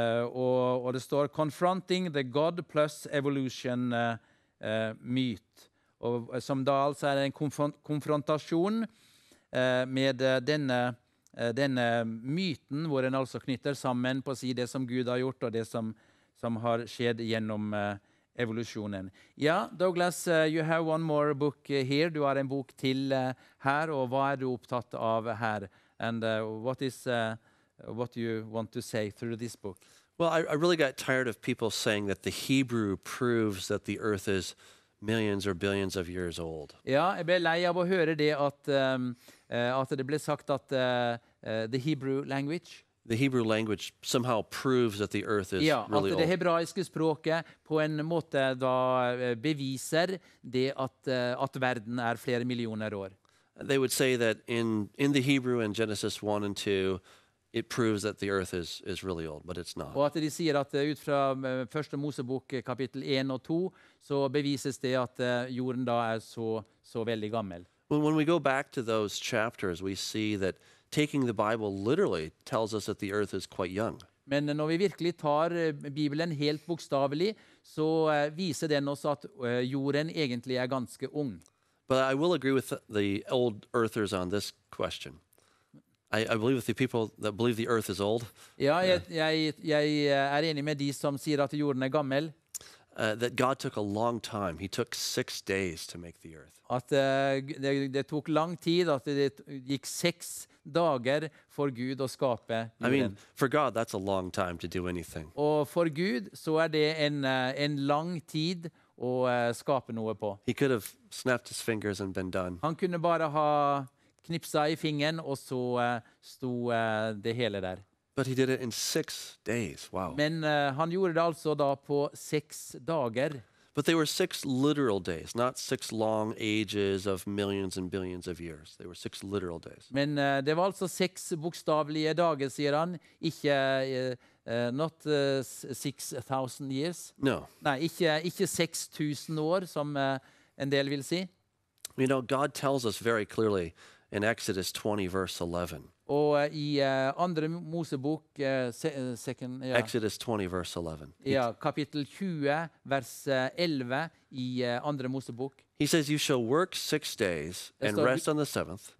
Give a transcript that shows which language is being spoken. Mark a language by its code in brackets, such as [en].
[no] Og det står Confronting the God plus Evolution myt, og som da altså er en konfrontasjon med denne myten, hvor en altså knytter sammen på å si det som Gud har gjort og det som har skjedd gjennom evolusjonen. Ja, Douglas, [en] you have one more book here. [no] Du har en bok til her, og hva er du opptatt av her? [en] And what is what you want to say through this book? Well, I really got tired of people saying that the Hebrew proves that the earth is millions or billions of years old. [no] Ja, jeg ble lei av å høre det at det ble sagt at [en] the Hebrew language somehow proves that the earth is really old. Ja, [no] at det hebraiske språket på en måte da beviser det at verden er flere millioner år. [en] They would say that in the Hebrew in Genesis 1 and 2 it proves that the earth is really old, but it's not. [no] Og at de sier at ut fra første Mosebok kapittel 1 og 2 så bevises det at jorden da er så veldig gammel. [en] When we go back to those chapters, we see that taking the Bible literally tells us that the earth is quite young. [no] Men når vi virkelig tar Bibelen helt bokstavelig, så viser den oss at jorden egentlig er ganske ung. [en] But I will agree with the old earthers on this question. I believe with the people that believe the earth is old. [no] Ja, jeg er enig med de som sier at jorden er gammel. [en] That God took a long time. He took 6 days to make the earth. [no] At det tok lang tid, at det gikk 6 dager for Gud å skape jorden. [en] I mean, for God, that's a long time to do anything. [no] Og for Gud, så er det en lang tid å skape noe på. [en] He could have snapped his fingers and been done. [no] Han kunne bare ha knipsa i fingeren, og så sto det hele der. [en] But he did it in 6 days. Wow. [no] Men han gjorde det altså da på 6 dager. [en] But they were 6 literal days, not 6 long ages of millions and billions of years. They were 6 literal days. [no] Men det var altså 6 bokstavlige dager, sier han. [en] Ikke, not 6,000 years. No. [no] Nei, ikke 6,000 år, som en del vil si. [en] You know, God tells us very clearly in Exodus 20, verse 11. [no] Og i andre Mosebok, [en] Exodus 20, verse 11. [no] Ja, kapittel 20, vers 11 i andre Mosebok. [en] He says, you shall work 6 days and rest on the seventh.